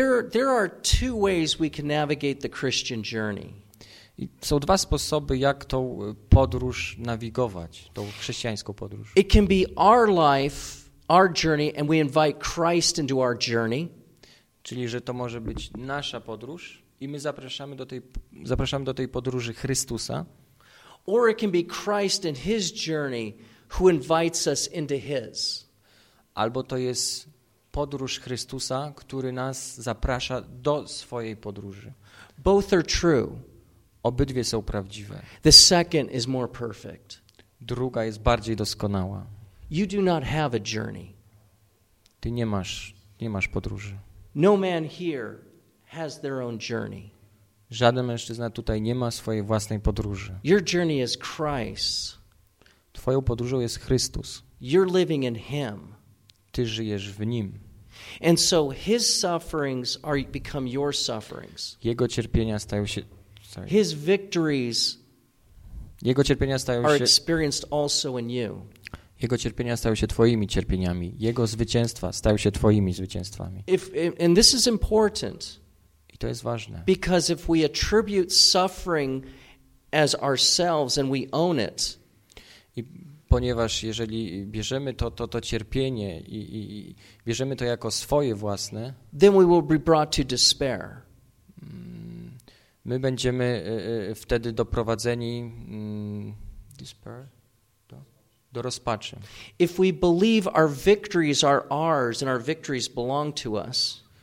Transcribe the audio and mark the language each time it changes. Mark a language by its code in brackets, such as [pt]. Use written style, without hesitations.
[en] There are two ways we can navigate the Christian journey. [pl] I są dwa sposoby, jak tą podróż nawigować, tą chrześcijańską podróż. [en] It can be our life, our journey, and we invite Christ into our journey. [pl] Czyli że to może być nasza podróż i my zapraszamy do tej podróży Chrystusa. [en] Or it can be Christ and his journey who invites us into his. [pl] Albo to jest podróż Chrystusa, który nas zaprasza do swojej podróży. [en] Both are true. [pl] Obydwie są prawdziwe. [en] The second is more perfect. [pl] Druga jest bardziej doskonała. [en] You do not have a journey. [pl] Ty nie masz podróży. [en] No man here has their own journey. [pl] Żaden mężczyzna tutaj nie ma swojej własnej podróży. [en] Your journey is Christ. [pl] Twoją podróżą jest Chrystus. [en] You're living in him. [pl] Ty żyjesz w nim. [en] And so his sufferings become your sufferings. [pl] Jego cierpienia stają się [en] His victories. [pl] Jego cierpienia stają [en] are [pl] się [en] experienced also in you. [pl] Jego cierpienia stają się twoimi cierpieniami. Jego zwycięstwa stają się twoimi zwycięstwami. [en] And this is important. [pl] I to jest ważne. [en] Because if we attribute suffering as ourselves and we own it. [pl] I ponieważ jeżeli bierzemy to cierpienie i bierzemy to jako swoje własne, [en] then we will be brought to despair. [pl] My będziemy wtedy doprowadzeni [en] despair. [pl] Do rozpaczy. [en] If we believe our victories are ours and our victories belong to us,